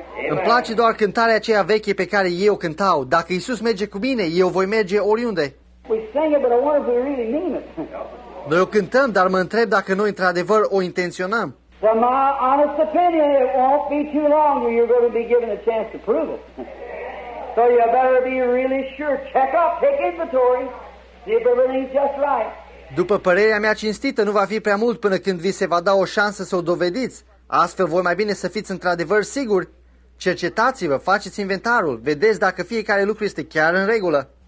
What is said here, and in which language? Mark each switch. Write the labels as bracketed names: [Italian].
[Romanian] Îmi place doar cântarea aceea veche pe care eu cântau. Dacă Iisus merge cu mine, eu voi merge oriunde. [English] We sing it, but I wonder if we really mean it. [Romanian] Noi o cântăm, dar mă întreb dacă noi într-adevăr o intenționăm. [English] From my honest opinion, it won't be too long when you're going to be given a chance to prove it. So you better be really sure. Check up, take inventory, see if everything's just right. [Romanian] După părerea mea cinstită, nu va fi prea mult până când vi se va da o șansă să o dovediți. Astfel voi mai bine să fiți într-adevăr siguri. Cercetați-vă, faceți inventarul, vedeți dacă fiecare lucru este chiar în regulă.